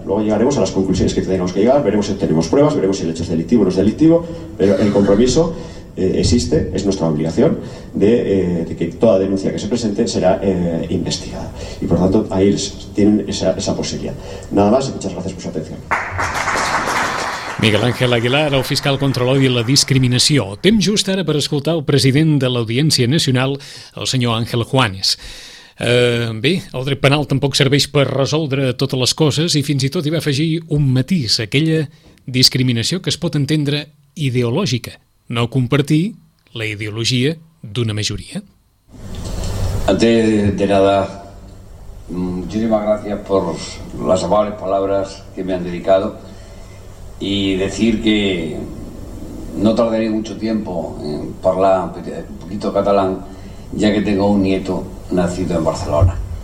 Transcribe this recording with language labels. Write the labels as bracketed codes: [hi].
[es] Luego llegaremos a las conclusiones que tenemos que llegar, veremos si tenemos pruebas, veremos si el hecho es delictivo o no es delictivo, pero el compromiso existe, es nuestra obligación, de que toda denuncia que se presente será investigada. Y por tanto, ahí tienen esa posibilidad. Nada más y muchas gracias por su atención. [ca] Miguel Ángel Aguilar, el fiscal contra l'odi i la discriminació. Temps just ara per escoltar el president de l'Audiència Nacional, el senyor Ángel Juanes. Bé, el dret penal tampoc serveix per resoldre totes les coses i fins i tot hi va afegir un matís, aquella discriminació que es pot entendre ideològica, no compartir la ideologia d'una majoria. [es] Antes de nada, muchísimas gracias por las amables palabras que me han dedicado y decir que no tardaré mucho tiempo en hablar un poquito catalán, ya que tengo un nieto nacido en Barcelona.